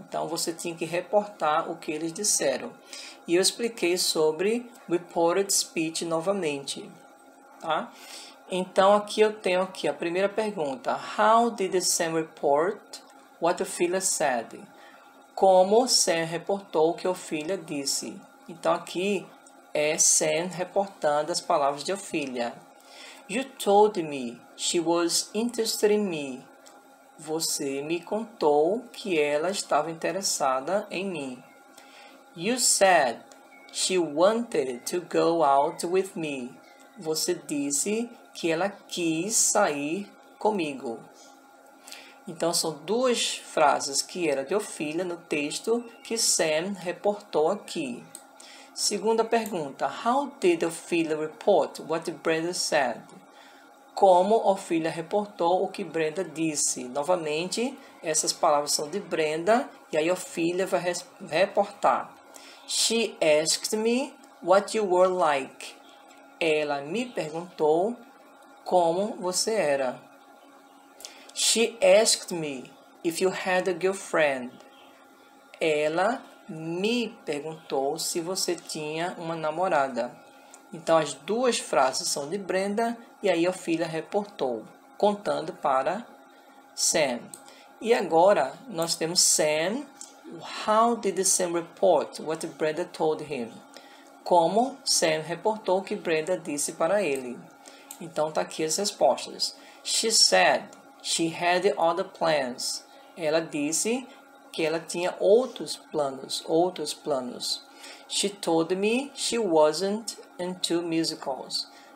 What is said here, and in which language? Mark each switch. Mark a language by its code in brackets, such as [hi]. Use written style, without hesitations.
[pt] Então você tinha que reportar o que eles disseram. E eu expliquei sobre reported speech novamente, tá? Então aqui eu tenho aqui a primeira pergunta: [en] How did Sam report what Ofília said? [pt] Como Sam reportou o que Ofília disse? Então aqui é Sam reportando as palavras de Ofília. [en] You told me she was interested in me. [pt] Você me contou que ela estava interessada em mim. [en] You said she wanted to go out with me. [pt] Você disse que ela quis sair comigo. Então, são duas frases que era de Ofília no texto que Sam reportou aqui. Segunda pergunta: [en] How did Ofília report what Brenda said? [pt] Como Ofília reportou o que Brenda disse? Novamente, essas palavras são de Brenda e aí Ofília vai reportar. [en] She asked me what you were like. [pt] Ela me perguntou como você era. [en] She asked me if you had a girlfriend. [pt] Ela me perguntou se você tinha uma namorada. Então, as duas frases são de Brenda e aí Ofília reportou, contando para Sam. E agora nós temos Sam. [en] How did Sam report what Brenda told him? [pt] Como Sam reportou o que Brenda disse para ele? Então, está aqui as respostas. [en] She said she had other plans. [pt] Ela disse que ela tinha outros planos, outros planos. [en] She told me she wasn't into musicals.